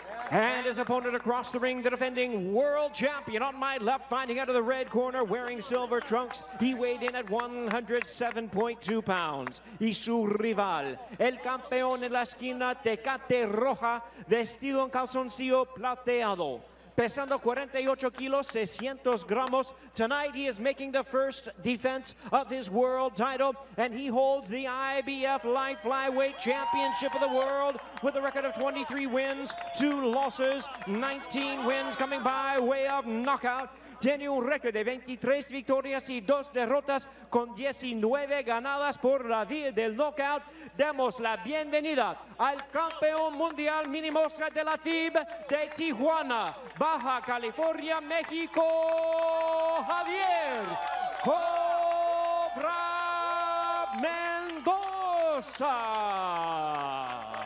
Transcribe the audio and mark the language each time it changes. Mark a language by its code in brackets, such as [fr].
[en] And his opponent across the ring, the defending world champion on my left, fighting out of the red corner, wearing silver trunks. He weighed in at 107.2 pounds. [es] Y su rival, el campeón en la esquina, Tecate Roja, vestido en calzoncillo plateado, pesando 48 kilos, 600 gramos. [en] Tonight he is making the first defense of his world title, and he holds the IBF Light Flyweight Championship of the World with a record of 23 wins, 2 losses, 19 wins coming by way of knockout. [es] Tiene un récord de 23 victorias y 2 derrotas con 19 ganadas por la vía del knockout. Demos la bienvenida al campeón mundial mini mosca de la FIB de Tijuana, Baja California, México, Javier Cobra Mendoza.